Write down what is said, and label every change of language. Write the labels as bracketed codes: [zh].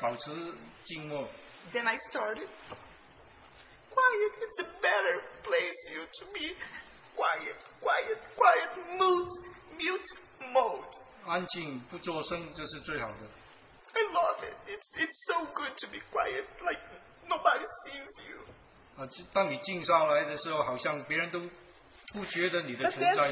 [en] Then I started. Quiet is a better place you to be. Quiet moves, mute mode. [zh] 安静不作声就是最好的. [en] I love it. It's so good to be quiet, like nobody sees you. [zh] 当你静下来的时候, 好像别人都不觉得你的存在,